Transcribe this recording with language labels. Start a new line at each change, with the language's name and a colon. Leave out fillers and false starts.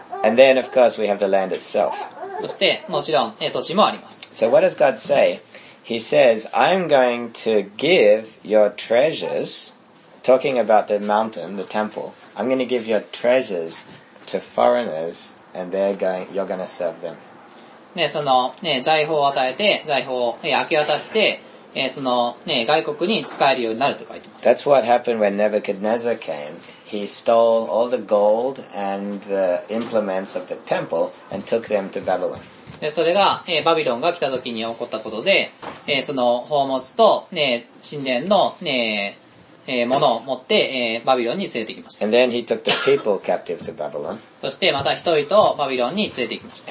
English: And then, of course, we have the land itself.
Japanese: そして、もちろん、土地もあります。
English: So what does God say? He says, I'm going to give your treasures, talking about the mountain, the temple, I'm going to give your treasures to foreigners, and you're going to serve them.
Japanese: ね、その、ね、財宝を与えて、財宝を、明け渡して、その、ね、外国に使えるようになると書いてます。
English: That's what happened when Nebuchadnezzar came. He stole all the gold and the implements of the temple and took them to Babylon.
Japanese: で、それが、バビロンが来た時に起こったことで、その宝物と、ね、神殿の、ね、ものを持って、バビロンに連れてきました。
English: And then he took the people captive to Babylon.
Japanese: そして、また人々をバビロンに連れてきました。